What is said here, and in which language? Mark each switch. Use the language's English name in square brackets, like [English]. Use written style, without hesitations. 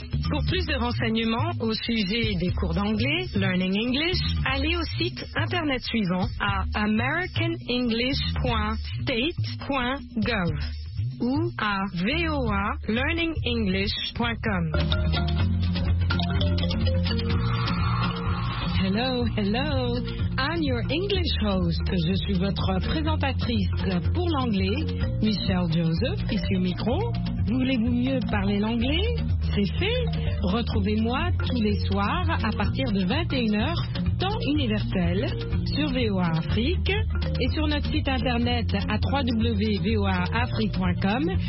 [French] Pour plus de renseignements au sujet des cours d'anglais, Learning English, allez au site internet suivant à americanenglish.state.gov ou à voalearningenglish.com. [English] Hello, hello, I'm your English host. [French] Je suis votre présentatrice pour l'anglais, Michelle Joseph, ici au micro. Voulez-vous mieux parler l'anglais? C'est fait. Retrouvez-moi tous les soirs à partir de 21h, temps universel, sur VOA Afrique et sur notre site internet à www.voaafrique.com.